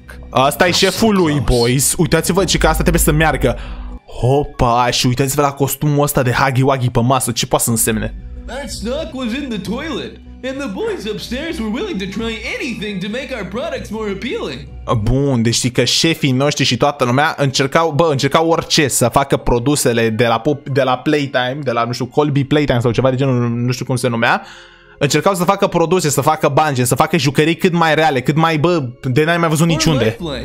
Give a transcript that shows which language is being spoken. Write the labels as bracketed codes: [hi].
[ro] Asta e șeful lui, boys. Uitați-vă, ce că asta trebuie să meargă. Hopa, și uitați-vă la costumul ăsta de Huggy Wuggy pe masă, ce poate să însemne? [en] That snuck was in the toilet. And the boys upstairs were willing to try anything to make our products more appealing. [ro] Bun, deci știi că șefii noștri și toată lumea încercau orice să facă produsele de la Playtime, de la, nu știu, Colby Playtime sau ceva de genul, nu știu cum se numea. Încercau să facă produse, să facă bange, să facă jucării cât mai reale, cât mai, bă, de n-ai mai văzut niciunde.